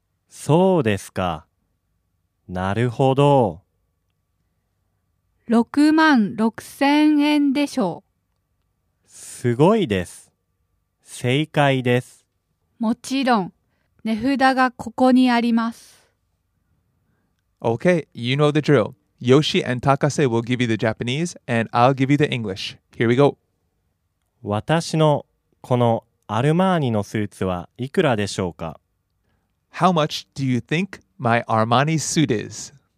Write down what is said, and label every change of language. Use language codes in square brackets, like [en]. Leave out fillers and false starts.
[ja] そうですか。なるほど。 66,000円でしょう。すごいです。正解です。もちろん、値札がここにあります。 [en] Okay, you know the drill. Yoshi and Takase will give you the Japanese, and I'll give you the English. Here we go. [ja] 私のこのアルマーニのスーツはいくらでしょうか？ [en] How much do you think my Armani suit is?